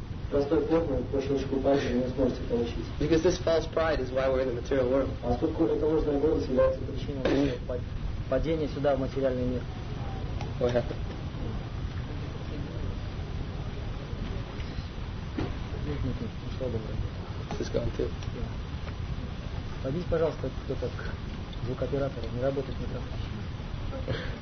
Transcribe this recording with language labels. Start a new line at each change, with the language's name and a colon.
Russian: Простой формы по щелчку пальца не сможете получить.
English: Because this false pride is why we're in the material world.
Russian: А поскольку это ложная гордость является причиной падения сюда в материальный мир. Подойди, пожалуйста, кто-то к звукооператору, не работает микрофон.